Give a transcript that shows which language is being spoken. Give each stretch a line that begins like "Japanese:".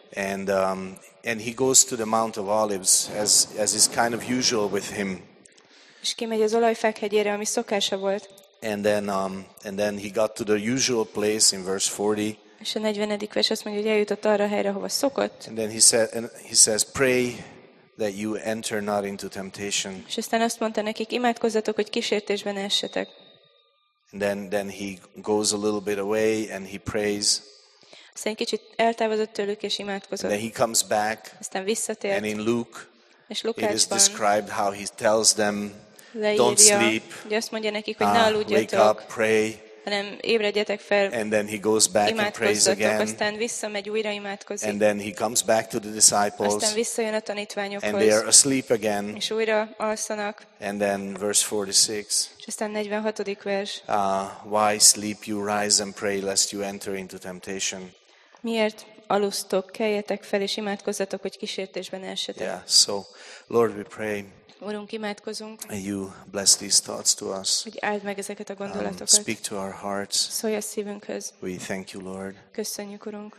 English: And he goes to the Mount of Olives as is kind of usual with him.
Hungarian: És kimegy az Olajfák hegyére, ami szokása volt.
English: And then he got to the usual place in verse 40.
Hungarian: És a 40. vers azt mondja, hogy eljutott arra a helyre, hova szokott.
English: And then he says, pray that you enter not into temptation.
Hungarian: És aztán azt mondta nekik, imádkozzatok, hogy kísértésben ne essetek.
English: And then he goes a little bit away and he prays.
Hungarian: Aztán kicsit eltávozott tőlük és imádkozott.
English: Then he comes back.
Hungarian: Aztán visszatért.
English: And in Luke,
Hungarian: és Lukácsban,
English: it is described how he tells them,
Hungarian: leírja,
English: don't sleep.
Hungarian: Azt mondja nekik, hogy ne aludjatok.
English: Wake up, pray.
Hungarian: Hanem ébredjetek fel.
English: And then he goes back and prays again.
Hungarian: Aztán visszamegy, újra imádkozik.
English: And then he comes back to the disciples.
Hungarian: Aztán visszajön a tanítványokhoz.
English: And they are asleep again.
Hungarian: És újra alszanak.
English: And then verse 46.
Hungarian: És aztán 46. vers.
English: Why sleep you, rise and pray, lest you enter into temptation.
Hungarian: Miért alusztok, keljetek fel és imádkozzatok, hogy kísértésben ne essetek.
English: Yeah, so Lord, we pray.
Hungarian: Urunk, imádkozunk.
English: And you bless these thoughts to us.
Hungarian: Hogy áld meg ezeket a gondolatokat.
English: Speak to our hearts.
Hungarian: Szólj a szívünkhöz.
English: We thank you, Lord.
Hungarian: Köszönjük, Urunk.